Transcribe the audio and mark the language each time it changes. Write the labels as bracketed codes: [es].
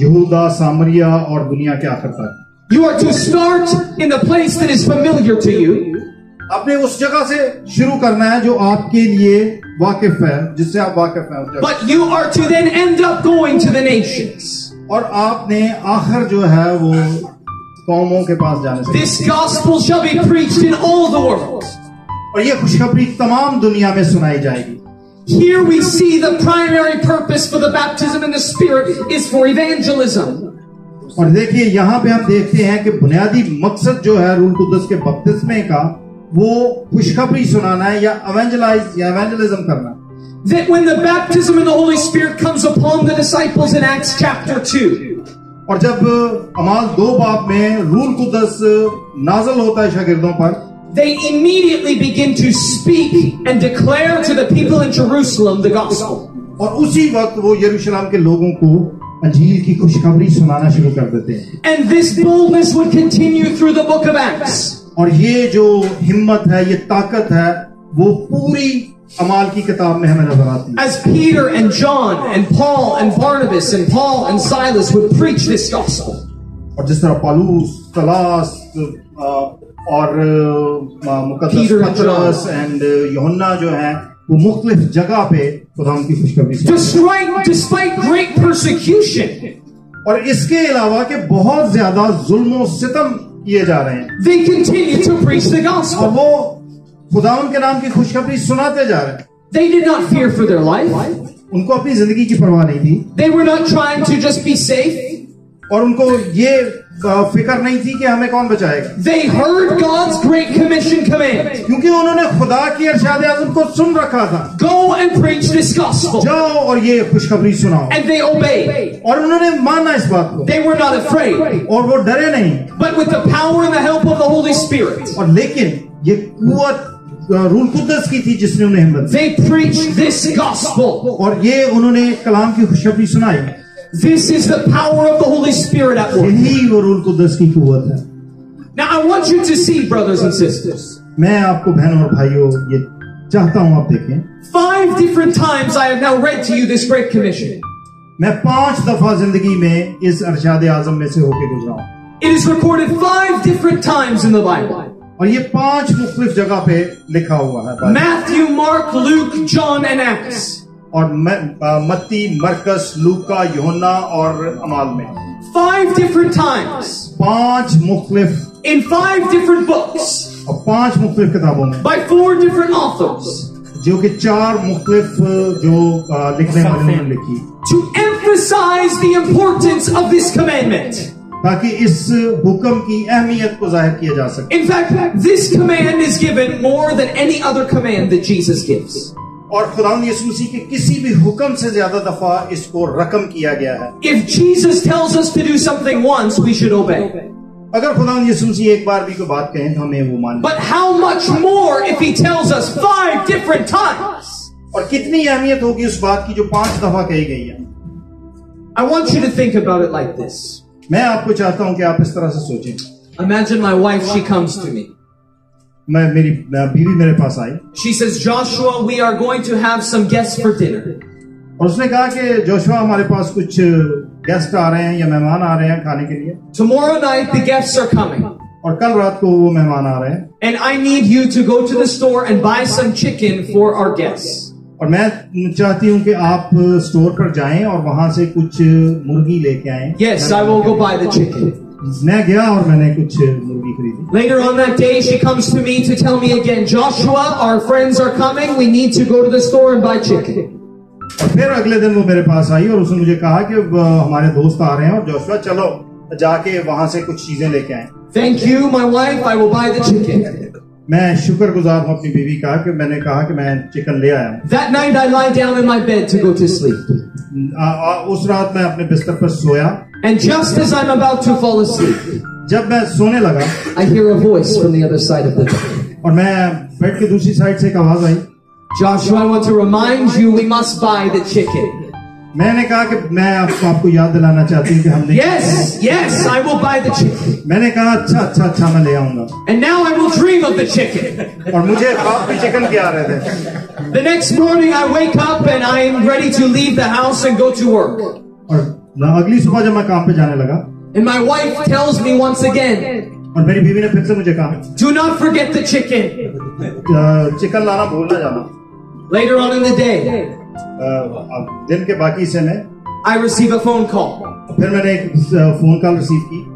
[hi] यहूदा सामरिया और दुनिया के आखिर तक [en] you are to start in the place that is familiar to you [hi] आपने उस जगह से शुरू करना है जो आपके लिए वाकिफ है जिससे आप वाकिफ हैं [en] but you are to then end up going to the nations [hi] और आपने आखिर जो है वो कौमों के पास जाने से [en] this gospel shall be preached in all the world [hi] और ये खुशखबरी तमाम दुनिया में सुनाई जाएगी [en] here we see the primary purpose for the baptism in the spirit is for evangelism [hi] और देखिए यहां पे हम देखते हैं कि बुनियादी मकसद जो है रूह कुदस के बपतिस्मे का वो खुशखबरी सुनाना है या एवेंजलाइज या एवेंजलिज्म करना [en] That when the baptism in the Holy Spirit comes upon the disciples in Acts chapter 2. [hi] और जब अमाल दो बाप में रूह कुदस नाजल होता है शागिर्दों पर [en] they immediately begin to speak and declare to the people in Jerusalem the gospel. [hi] और उसी वक्त वो यरूशलेम के लोगों को अंजील की खुशखबरी सुनाना शुरू कर देते हैं [en] And this boldness would continue through the book of Acts. [hi] और ये जो हिम्मत है ये ताकत है वो पूरी अमाल की किताब में हमें नजर आती है [en] As Peter and John and Paul and Barnabas and Paul and Silas would preach this gospel [hi] और जिस तरह पौलुस सिलास और मुकद्दस [en] and [hi] यूहन्ना जो हैं वो मुख्तलिफ जगह पे खुदा की खुशखबरी [en] Despite great persecution [hi] और इसके अलावा के बहुत ज्यादा जुल्म और सितम किए जा रहे हैं [en] They continue to preach the gospel [hi] और वो खुदावन के नाम की खुशखबरी सुनाते जा रहे [en] They did not fear for their life. [hi] उनको अपनी जिंदगी की परवाह नहीं थी [en] They were not trying to just be safe. [hi] और उनको ये फिक्र नहीं थी कि हमें कौन बचाएगा [en] They heard God's great commission command. [hi] क्योंकि उन्होंने खुदा की इरशाद आज़म को सुन रखा था [en] Go and preach this gospel. [hi] जाओ और ये खुशखबरी सुनाओ [en] And they obeyed. [hi] और उन्होंने माना इस बात को [en] They were not afraid. [hi] और वो डरे नहीं [en] But with the power and the help of the Holy Spirit. [hi] और लेकिन ये कुवत रूह कुद्दस की थी जिसने उन्हें हिम्मत दी [en] They preached this gospel [hi] और ये उन्होंने कलाम की खुशखबरी सुनाई [en] This is the power of the Holy Spirit at work [hi] यही वो रूह कुद्दस की कुवत है [en] Now I want you to see brothers and sisters [hi] मैं आपको बहनों और भाइयों ये चाहता हूं आप देखें [en] Five different times I have now read to you this great commission [hi] मैं पांच दफा जिंदगी में इस अरशाद आजम में से होकर गुजरा हूं [en] It is recorded five different times in the Bible [hi] और ये पांच मुख्तलिफ जगह पे लिखा हुआ है [en] Matthew Mark Luke John and Acts [hi] और मत्ती मरकस लूका यूहन्ना और अमाल में [en] five different times [hi] पांच मुख्तलिफ [en] in five different books [hi] और पांच मुख्तलिफ किताबों में [en] by four different authors [hi] जो कि चार मुख्तलिफ जो लिखने वाले ने लिखी [en] to emphasize the importance of this commandment [hi] ताकि इस हुक्म की अहमियत को जाहिर किया जा सके [en] In fact, this command is given more than any other command that Jesus gives. [hi] और खुदावंद यीशु मसीह के किसी भी हुक्म से ज्यादा दफा इसको रकम किया गया है [en] If Jesus tells us to do something once, we should obey. [hi] अगर खुदावंद यीशु मसीह एक बार भी कोई बात कहें तो हमें वो माननी [en] But how much more if he tells us five different times? [hi] और कितनी अहमियत होगी उस बात की जो पांच दफा कही गई है [en] I want you to think about it like this. [hi] मैं आपको चाहता हूं कि आप इस तरह से सोचें [en] Imagine my wife, she comes to me. [hi] मेरी बीवी मेरे पास आई [en] She says, Joshua, we are going to have some guests for dinner. [hi] और उसने कहा कि जोशुआ हमारे पास कुछ गेस्ट आ रहे हैं या मेहमान आ रहे हैं खाने के लिए [en] Tomorrow night, the guests are coming. [hi] और कल रात को वो मेहमान आ रहे हैं [en] And I need you to go to the store and buy some chicken for our guests. [hi] और मैं चाहती हूं कि आप स्टोर पर जाएं और वहां से कुछ मुर्गी लेके आएं [en] Yes, I will go buy the chicken. [hi] मैं गया और मैंने कुछ मुर्गी खरीदी [en] Later on that day, she comes to me to tell me again, Joshua, our friends are coming, we need to go to the store and buy chicken. [hi] और फिर अगले दिन वो मेरे पास आई और उसने मुझे कहा कि हमारे दोस्त आ रहे हैं और जोशुआ चलो जाके वहां से कुछ चीजें लेके आएं [en] Thank you, my wife, I will buy the chicken. [hi] मैं शुक्रगुजार हूं अपनी बीवी का कि मैंने कहा कि मैं चिकन ले आया [en] That night I lie down in my bed to go to sleep. [hi] उस रात मैं अपने बिस्तर पर सोया [en] And just as I'm about to fall asleep, [hi] जब मैं सोने लगा [en] I hear a voice from the other side of the bed. [hi] और मैं बेड के दूसरी साइड से एक आवाज आई [en] Joshua, I want to remind you we must buy the chicken. [hi] मैंने कहा कि मैं आपको आपको याद दिलाना चाहती हूं कि हमने [en] Yes, yes, I will buy the chicken. [hi] मैंने कहा अच्छा अच्छा अच्छा मैं ले आऊंगा. [en] And now I will dream of the chicken. [hi] और मुझे ख्वाब भी चिकन के आ रहे थे. [en] The next morning I wake up and I am ready to leave the house and go to work. [hi] और अगली सुबह जब मैं काम पे जाने लगा. [en] And my wife tells me once again. [hi] और मेरी बीवी ने फिर से मुझे कहा. [en] Do not forget the chicken. [hi] Chicken लाना भूल ना जाना. [en] Later on in the day. [hi] दिन के बाकी हिस्से में [en] I receive a phone call. [hi] फिर मैंने एक फोन कॉल रिसीव की.